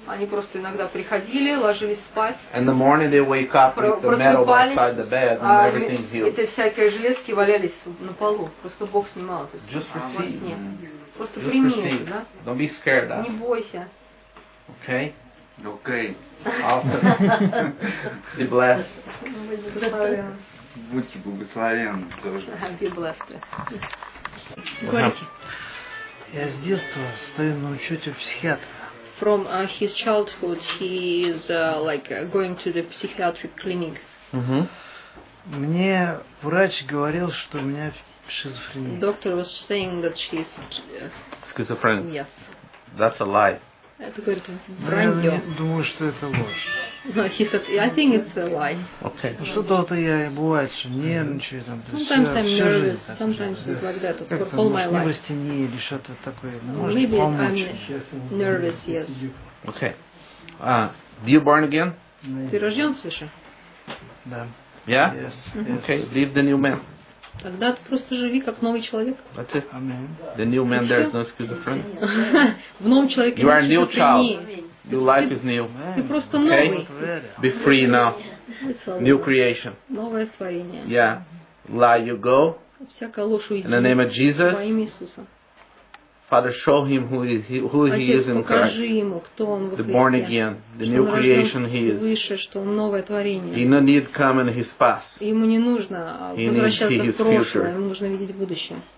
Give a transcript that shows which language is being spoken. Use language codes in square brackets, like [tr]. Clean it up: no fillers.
[ru] Они просто иногда приходили, ложились спать. [en] And the morning they wake up with the metal beside the bed and everything healed. [ru] Эти всякие железки валялись на полу, просто Бог снимал. [en] Just receive. [ru] Просто прими, да? [en] Don't be scared. [ru] Не бойся. [en] Okay. Okay. Awesome. Be blessed. [ru] Будьте благословенны тоже. [en] Be blessed. [ru] Я с детства стою на учете психиатра. [en] From his childhood, he is like going to the psychiatric clinic. [ru] Мне врач говорил, что у меня шизофрения. [en] Doctor was saying that she is schizophrenic. Yes. That's a lie. [ru] Я думаю, что это ложь. [en] No, he said, I think it's a lie. Okay. [ru] Ну, что-то я и бывает, что нервничаю там. [en] Sometimes I'm nervous. Sometimes it's like that for all my life. [ru] Как-то невростение или что-то такое. [en] Maybe I'm nervous, yes. Okay. Are you born again? [ru] Ты рожден свыше? Да. [en] Yeah? Yes. Okay, leave the new man. [ru] Тогда ты просто живи как новый человек. [en] That's it. Amen. The new man there is no schizophrenic. [ru] В новом человеке нет шизофрении. [en] You are a new child. Your life is new. [ru] Ты просто новый. [en] Be free now. New creation. [ru] Новое творение. [en] Yeah. Lie you go. [ru] Всякая ложь уйди. [en] In the name of Jesus. [ru] Во имя Иисуса. [en] Father, show him who he is in Christ. The born again, the new creation he is. [ru] Выше, что он новое творение. [en] He no need come in his past. [ru] Ему не нужно возвращаться в прошлое. Ему нужно видеть будущее.